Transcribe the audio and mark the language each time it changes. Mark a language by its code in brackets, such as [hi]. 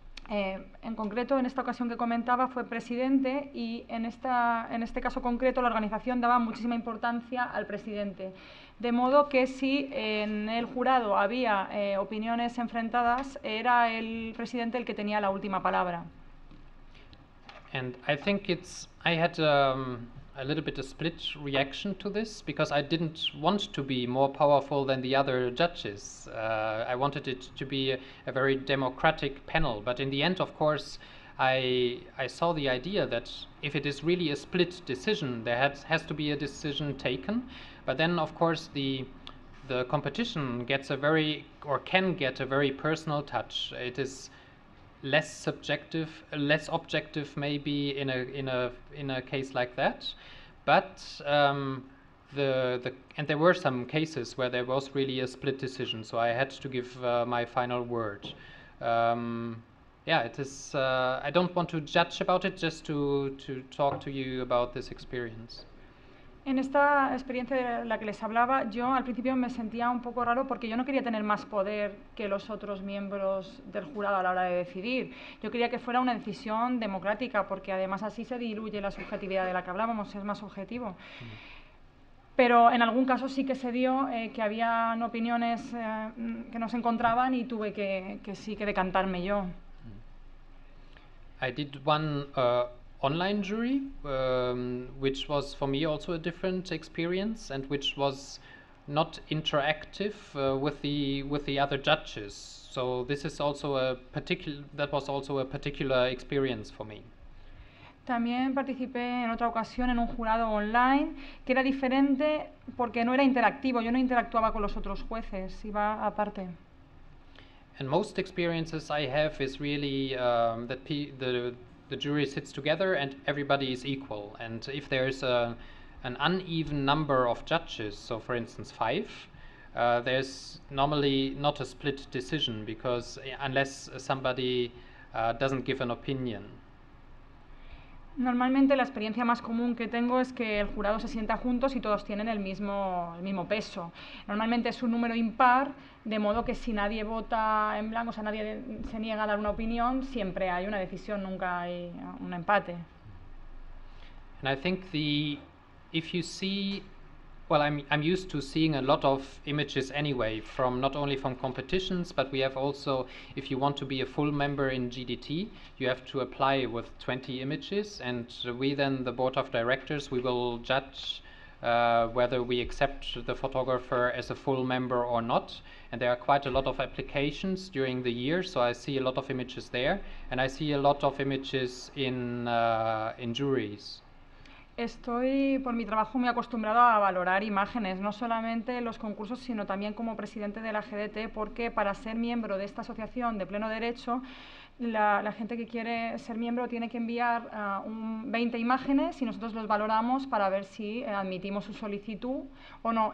[es] En concreto, en esta ocasión que comentaba, fue presidente y en este caso concreto la organización daba muchísima importancia al presidente. De modo que si en el jurado había opiniones enfrentadas, era el presidente el que tenía la última palabra. [en] And I think I had a little bit of split reaction to this because I didn't want to be more powerful than the other judges. I wanted it to be a very democratic panel. But in the end, of course, I saw the idea that if it is really a split decision, there has to be a decision taken. But then, of course, the competition can get a very personal touch. It is less subjective, less objective maybe in a case like that, but and there were some cases where there was really a split decision, so I had to give my final word. I don't want to judge about it, just to talk to you about this experience. [es] En esta experiencia de la que les hablaba, yo al principio me sentía un poco raro porque yo no quería tener más poder que los otros miembros del jurado a la hora de decidir. Yo quería que fuera una decisión democrática porque además así se diluye la subjetividad de la que hablábamos, es más objetivo. Pero en algún caso sí que se dio que habían opiniones que no se encontraban y tuve que decantarme yo. [en] I did one online jury, which was for me also a different experience and which was not interactive with the other judges. So this is also a particular experience for me. [es] También participé en otra ocasión en un jurado online que era diferente porque no era interactivo. Yo no interactuaba con los otros jueces, iba aparte. [en] And most experiences I have is really the jury sits together and everybody is equal. And if there is an uneven number of judges, so for instance 5, there's normally not a split decision because unless somebody doesn't give an opinion. [es] Normalmente la experiencia más común que tengo es que el jurado se sienta juntos y todos tienen el mismo peso. Normalmente es un número impar, de modo que si nadie vota en blanco, o sea, nadie se niega a dar una opinión, siempre hay una decisión, nunca hay un empate. [en] And I think if you see, well, I'm used to seeing a lot of images anyway, from not only from competitions, but we have also, if you want to be a full member in GDT, you have to apply with 20 images, and we then, the board of directors, we will judge whether we accept the photographer as a full member or not. And there are quite a lot of applications during the year, so I see a lot of images there, and I see a lot of images in juries. [es] Estoy, por mi trabajo, muy acostumbrado a valorar imágenes, no solamente los concursos, sino también como presidente de la GDT, porque para ser miembro de esta asociación de pleno derecho, la gente que quiere ser miembro tiene que enviar 20 imágenes y nosotros los valoramos para ver si admitimos su solicitud o no.